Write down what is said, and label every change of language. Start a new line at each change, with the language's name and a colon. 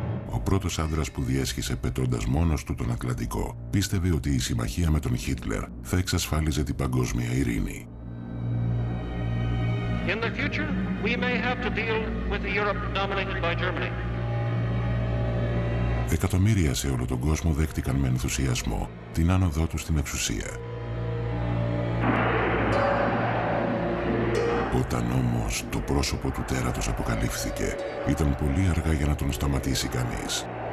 Greek: Ο πρώτος άντρας που διέσχισε πετώντας μόνος του τον Ατλαντικό πίστευε ότι η συμμαχία με τον Χίτλερ θα εξασφάλιζε την παγκόσμια ειρήνη.
English: In the future, we may have to deal with the Europe dominated by Germany.
Greek: Εκατομμύρια σε όλο τον κόσμο δέχτηκαν με ενθουσιασμό την άνοδό του στην εξουσία. Όταν όμως το πρόσωπο του τέρατος αποκαλύφθηκε, ήταν πολύ αργά για να τον σταματήσει κανείς.